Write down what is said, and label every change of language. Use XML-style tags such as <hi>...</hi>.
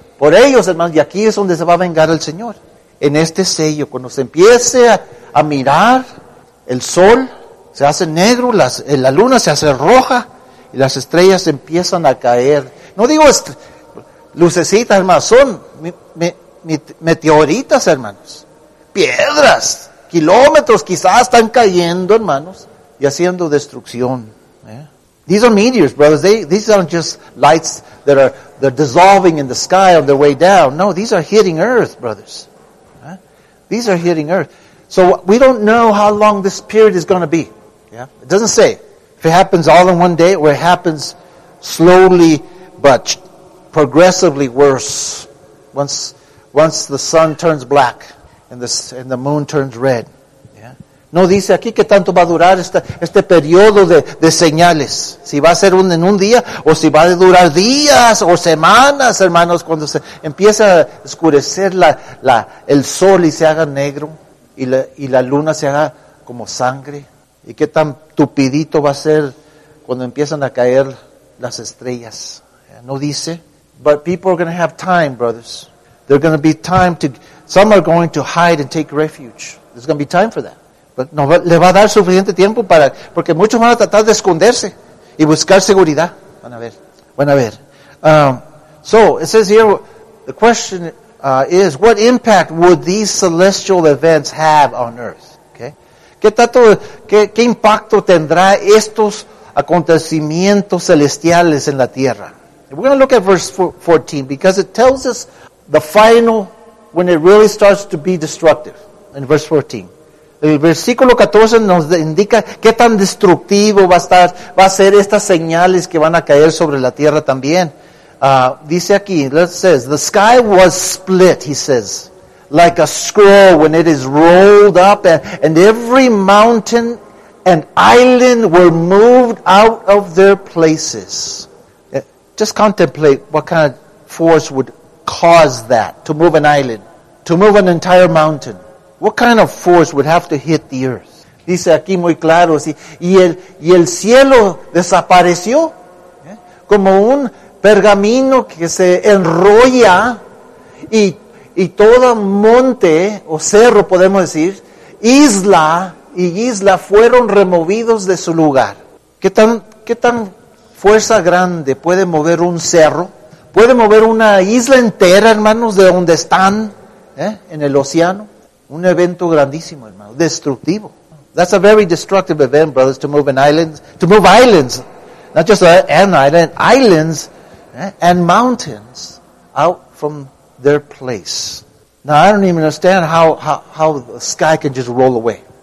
<es>Por ellos, hermano, y aquí es donde se va a vengar el Señor. En este sello, cuando se empiece a mirar, el sol se hace negro, la luna se hace roja, y las estrellas empiezan a caer. No digo lucecitas, hermano, son meteoritas, hermanos. Piedras. Kilómetros quizás están cayendo, hermanos, y haciendo destrucción.</es> <en>Yeah. These are meteors, brothers. These aren't just lights that are dissolving in the sky on their way down. No, these are hitting earth, brothers. Yeah. These are hitting earth. So we don't know how long this period is going to be. Yeah, it doesn't say if it happens all in one day or it happens slowly but progressively worse once the sun turns black and the moon turns red. Yeah.</en> <es>No dice aquí que tanto va a durar este periodo de señales. Si va a ser en un día o si va a durar días o semanas, hermanos, cuando se empieza a oscurecer el sol y se haga negro y la luna se haga como sangre. ¿Y qué tan tupidito va a ser cuando empiezan a caer las estrellas? No dice.</es> <en>But people are going to have time, brothers. They're going to be time to... Some are going to hide and take refuge. There's going to be time for that. But no,</en> <es>le va a dar suficiente tiempo para... Porque muchos van a tratar de esconderse y buscar seguridad. Van a ver.</es> <en>So, it says here, the question is, what impact would these celestial events have on earth?</en> <es>¿Qué impacto tendrá estos acontecimientos celestiales en la tierra?</es> <en>We're going to look at verse 14 because it tells us the final when it really starts to be destructive. In verse 14.</en> <es>El versículo 14 nos indica qué tan destructivo va a ser estas señales que van a caer sobre la tierra también. Dice aquí,</es> <en>it says, the sky was split, he says, like a scroll when it is rolled up, and every mountain and island were moved out of their places. Just contemplate what kind of force would cause that, to move an island, to move an entire mountain. What kind of force would have to hit the earth?</en> <es>Dice aquí muy claro, sí, y el cielo desapareció como un pergamino que se enrolla y todo monte, o cerro podemos decir, isla fueron removidos de su lugar. ¿Qué tan fuerza grande puede mover un cerro? ¿Puede mover una isla entera, hermanos, de donde están, en el océano? Un evento grandísimo, hermano, destructivo.</es> <en>That's a very destructive event, brothers, to move islands, not just an island, islands, and mountains out from their place. Now, I don't even understand how the sky can just roll away.</en>